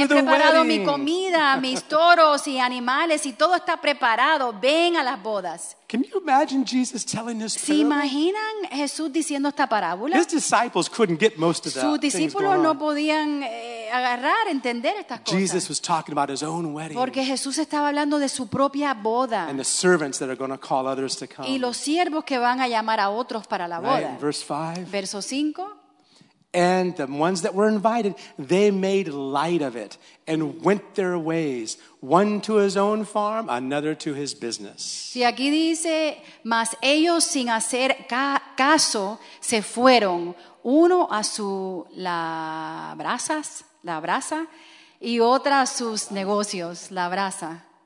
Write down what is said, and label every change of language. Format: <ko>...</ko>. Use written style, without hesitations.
<es>He preparado mi comida, mis toros y animales, y todo está preparado. Ven a las bodas.</es> <en>Can you imagine Jesus telling this parable?</en> <es>¿Se imaginan Jesús diciendo esta parábola?</es> <en>His disciples couldn't get most of that.</en> <es>Sus discípulos no podían agarrar, entender estas cosas.</es> <en>Jesus was talking about his own wedding.</en> <es>Porque Jesús estaba hablando de su propia boda.</es> <en>And the servants that are going to call others to come.</en> <es>Y los siervos que van a llamar a otros para la boda.</es> <en>Verse 5.</en> <es>Verso 5.</es> <en>And the ones that were invited, they made light of it and went their ways, one to his own farm, another to his business.</en> <es>Y aquí dice, mas ellos sin hacer caso se fueron, uno a su labraza, y otra a sus negocios, labranza.</es>